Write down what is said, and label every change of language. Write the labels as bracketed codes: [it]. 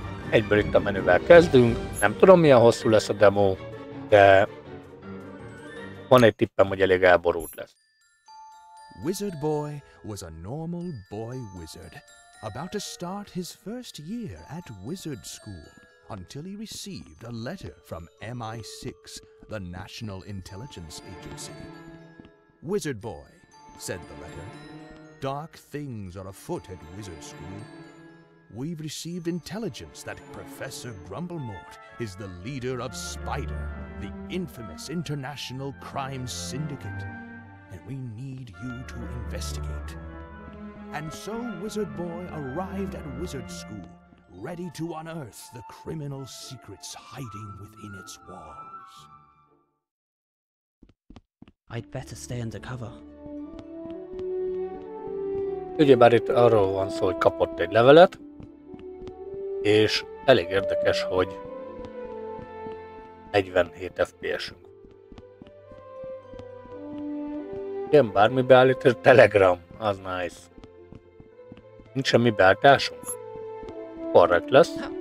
[hu] Egyből itt a menüvel kezdünk, nem tudom milyen hosszú lesz a demo, de van egy tippem, hogy elég elborult lesz. [en] Wizard Boy was a normal boy wizard, about to start his first year at wizard school, until he received a letter from MI6, the National Intelligence Agency. Wizard Boy, said the letter, dark things are afoot at wizard school. We've received intelligence that Professor Grumblemort is the leader of Spider, the infamous international crime syndicate, and we need you to investigate. And so Wizard Boy arrived at Wizard School, ready to unearth the criminal secrets hiding within its walls. I'd better stay undercover. [hu] Ugyebár itt arról van szó, hogy kapott egy levelet, és elég érdekes, hogy 47 FPS-ünk. Ilyen bármi beállítás, Telegram, az nice. Nincs semmi beállításunk? Korrekt lesz.